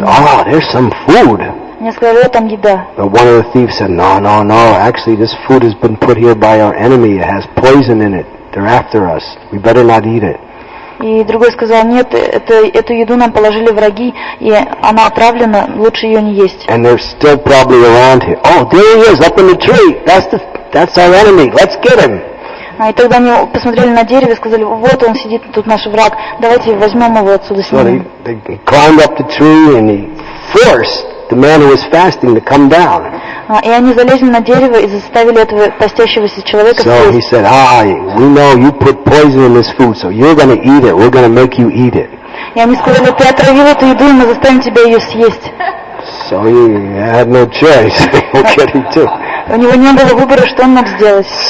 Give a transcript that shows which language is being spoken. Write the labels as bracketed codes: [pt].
[en] So they said, there's some food. [ru] Мне сказали, там еда. [en] But one of the thieves said, no, actually this food has been put here by our enemy. It has poison in it. They're after us. We better not eat it. [ru] И другой сказал, нет, эту еду нам положили враги, и она отравлена, лучше ее не есть. [en] And they're still probably around here. Oh, there he is, up in the tree. That's our enemy. Let's get him. [ru] И тогда они посмотрели на дерево и сказали, вот он сидит, тут наш враг. Давайте возьмем его отсюда, снимем. [en] So they climbed up the tree and he forced the man who was fasting to come down. [ru] И они залезли на дерево и заставили этого постящегося человека. [en] So he said, we know you put poison in this food, so you're going to eat it. We're going to make you eat it. [ru] И они сказали, ты отравил эту еду, и мы заставим тебя ее съесть. [en] So he had no choice. What could he do? [ru] У него не было выбора, что он мог сделать.